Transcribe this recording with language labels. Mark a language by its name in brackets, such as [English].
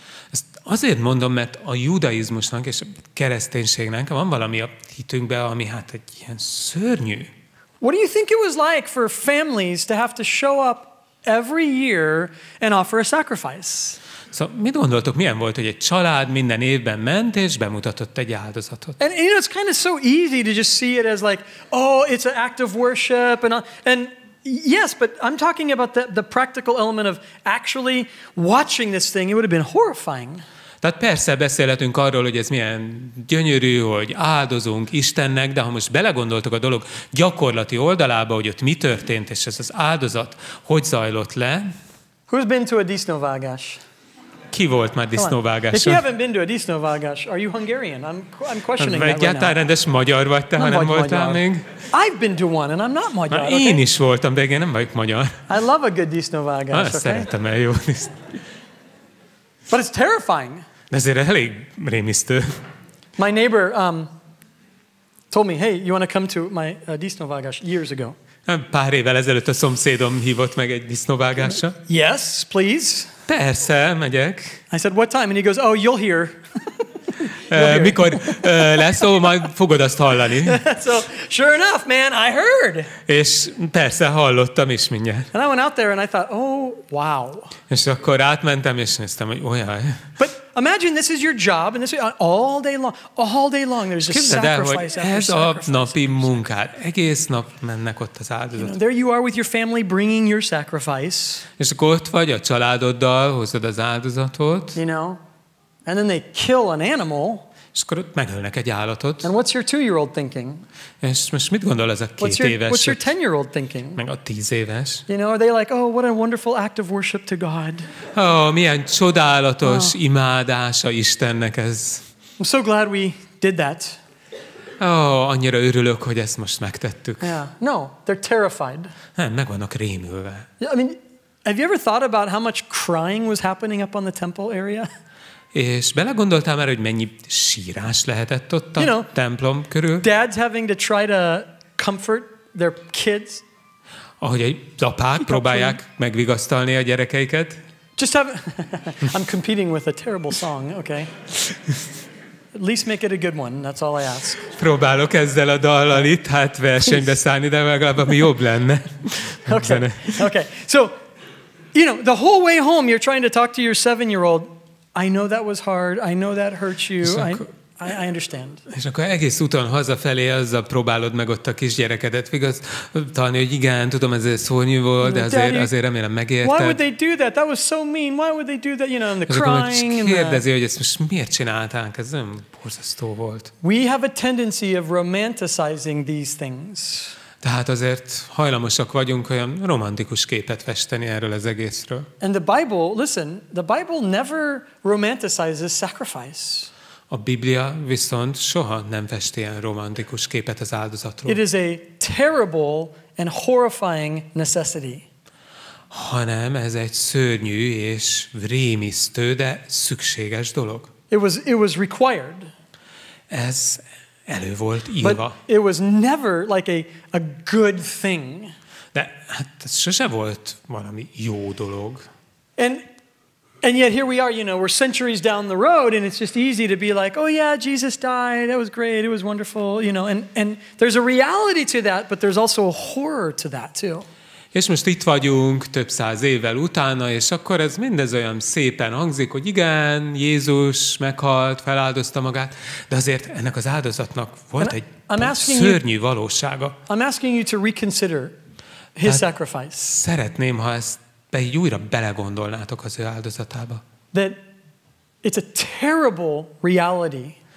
[Hungarian] Ezt azért mondom, mert a judaizmusnak és a kereszténységnek van valami a hitünkben, ami hát egy ilyen szörnyű. [English] What do you think it was like for families to have to show up every year and offer a sacrifice? [Hungarian] So, mit gondoltok, milyen volt, hogy egy család minden évben ment és bemutatott egy áldozatot? [English] And you know, it's kind of so easy to just see it as like, oh, it's an act of worship and yes, but I'm talking about the practical element of actually watching this thing. It would have been horrifying. [Hungarian] Tehát persze beszélhetünk arról, hogy ez milyen gyönyörű, hogy áldozunk Istennek, de ha most belegondoltok a dolog gyakorlati oldalába, hogy ott mi történt, és ez az áldozat hogy zajlott le. [English] Who's been to a disznóvágás? [Hungarian] Ki volt már disznóvágáson? [English] If you haven't been to a disznóvágás, are you Hungarian? I'm questioning that. [Hungarian] Vagy egyáltalán rendes magyar vagy te, ha nem voltál még? [English] I've been to one and I'm not magyar. Okay? [Hungarian] Én is voltam, de igen, nem vagyok magyar. [English] I love a good disznóvágás. Okay? [Hungarian] Szeretem el jó disznóvágás. [English] But it's terrifying. [Hungarian] De ezért elég rémisztő. [English] My neighbor told me, hey, you want to come to my disznóvágás years ago. [Hungarian] Pár évvel ezelőtt a szomszédom hívott meg egy disznóvágásra. [English] Yes, please. [Hungarian] Persze, megyek. [English] I said, what time? And he goes, oh, you'll hear. [Hungarian] Mikor lesz, majd fogod azt hallani. [English] So, sure enough, man, I heard. [Hungarian] És persze, hallottam is mindjárt. [English] And I went out there and I thought, oh, wow. [Hungarian] És akkor átmentem és néztem, hogy olyan. [English] But imagine this is your job and this is all day long there's a sacrifice. [Hungarian] Képzeld el, hogy ez a napi [English] sacrifice. [Hungarian] Munkád. Egész nap mennek ott az áldozat. [English] You know, there you are with your family bringing your sacrifice. [Hungarian] És akkor ott vagy a családoddal, hozod az áldozatot. [English] You know? And then they kill an animal. [Hungarian] És akkor megölnek egy állatot. [English] And what's your 2-year-old thinking? [Hungarian] És most mit gondol ez a két éves? [English] What's your 10-year-old thinking? [Hungarian] Meg a 10 éves. [English] You know, are they like, oh, what a wonderful act of worship to God? [Hungarian] Oh, milyen csodálatos imádás a Istennek ez. [English] I'm so glad we did that. [Hungarian] Oh, annyira örülök, hogy ezt most megtettük. [English] Yeah. No, they're terrified. [Hungarian] Nem, meg vannak rémülve. [English] Yeah, I mean, have you ever thought about how much crying was happening up on the temple area? [Hungarian] És belegondoltál már, hogy mennyi sírás lehetett ott a templom körül? [English] Dads having to try to comfort their kids. [Hungarian] Ahogy az apák próbálják megvigasztalni a gyerekeiket. [English] Just have I'm competing with a terrible song, okay? At least make it a good one, that's all I ask. [Hungarian] Próbálok ezzel a dallal itt hát versenybe szállni, de legalább ami jobb lenne. [English] Okay. So, you know, the whole way home you're trying to talk to your 7-year-old. I know that was hard. I know that hurt you. I understand. [Hungarian] És akkor egész úton hazafelé azzal próbálod meg ott a kisgyerekedet vigasztalni, hogy igen, tudom, ez szörnyű volt, de azért remélem megérted. [English] Why would they do that? That was so mean. Why would they do that? You know, and the crying. [Hungarian] Kérdezi, hogy ezt most miért csinálták? Ez nem borzasztó volt. [English] We have a tendency of romanticizing these things. [Hungarian] Tehát azért hajlamosak vagyunk olyan romantikus képet festeni erről az egészről. [English] And the Bible, listen, the Bible never romanticizes sacrifice. [Hungarian] A Biblia viszont soha nem fest ilyen romantikus képet az áldozatról. [English] It is a terrible and horrifying necessity. [Hungarian] Hanem ez egy szörnyű és rémisztő, de szükséges dolog. [English] It was required. [Hungarian] Ez elő volt írva. [English] But it was never like a good thing. [Hungarian] De hát ez sose volt valami jó dolog. [English] And yet here we are, you know, we're centuries down the road and it's just easy to be like, oh yeah, Jesus died, that was great, it was wonderful, you know, and there's a reality to that, but there's also a horror to that too. [Hungarian] És most itt vagyunk több száz évvel utána, és akkor ez mindez olyan szépen hangzik, hogy igen, Jézus meghalt, feláldozta magát, de azért ennek az áldozatnak volt egy szörnyű valósága. [English] I'm asking you to reconsider his sacrifice. [Hungarian] Szeretném, ha ezt be így újra belegondolnátok az ő áldozatába. [English] That it's a terrible reality.